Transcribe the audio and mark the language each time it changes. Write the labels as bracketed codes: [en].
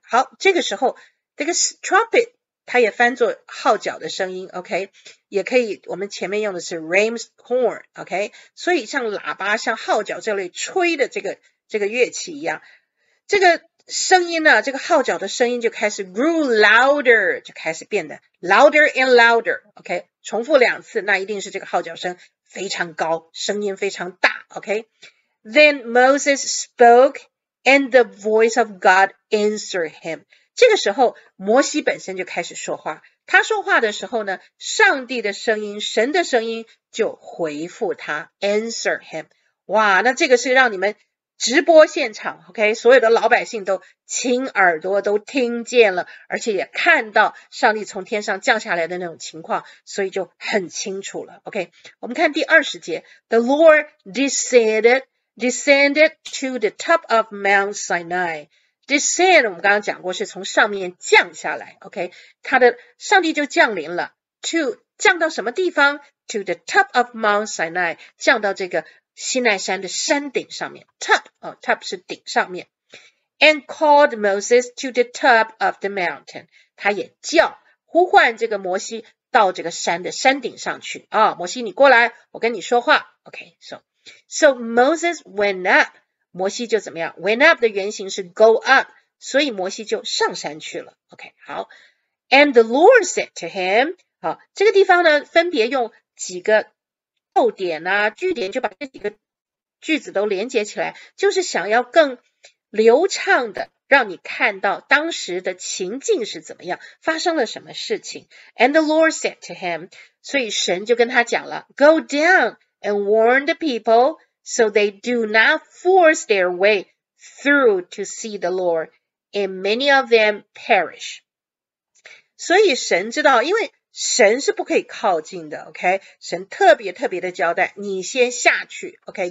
[zh] 好，这个时候这个 trumpet 它也翻作号角的声音， OK, 也可以我们前面用的是 [en] ram's horn, [zh] OK, 所以像喇叭像号角这类吹的这个乐器一样，这个声音呢，这个号角的声音就开始 [en] grew louder, [zh] 就开始变得 [en] louder and louder, [zh] OK, 重复两次，那一定是这个号角声非常高，声音非常大， OK。 [en] Then Moses spoke, and the voice of God answered him. [zh] 这个时候，摩西本身就开始说话。他说话的时候呢，上帝的声音，神的声音就回复他 ， [en] answer him. [zh] 哇，那这个是让你们直播现场 ，OK， 所有的老百姓都亲耳朵都听见了，而且也看到上帝从天上降下来的那种情况，所以就很清楚了 ，OK。我们看第二十节 [en] ，The Lord descended to the top of Mount Sinai. [zh] Descend, 我们刚刚讲过是从上面降下来， OK, 他的上帝就降临了。 To, 降到什么地方？ [en] To the top of Mount Sinai, [zh] 降到这个西奈山的山顶上面。 Top,、哦、top 是顶上面。 [en] And called Moses to the top of the mountain. [zh] 他也叫呼唤这个摩西到这个山的山顶上去。啊、哦、摩西你过来，我跟你说话。 [en] OK, So Moses went up. [zh] 摩西就怎么样？ [en] Went up [zh] 的原型是 [en] go up. [zh] 所以摩西就上山去了。OK, 好。 [en] And the Lord said to him. [zh] 好，这个地方呢，分别用几个逗点啊，句点，就把这几个句子都连接起来，就是想要更流畅的让你看到当时的情境是怎么样，发生了什么事情。 [en] And the Lord said to him. [zh] 所以神就跟他讲了 [en] go down. And warn the people, so they do not force their way through to see the Lord, and many of them perish. [zh] 所以神知道，因为神是不可以靠近的 ，OK？神特别特别的交代，你先下去 ，OK？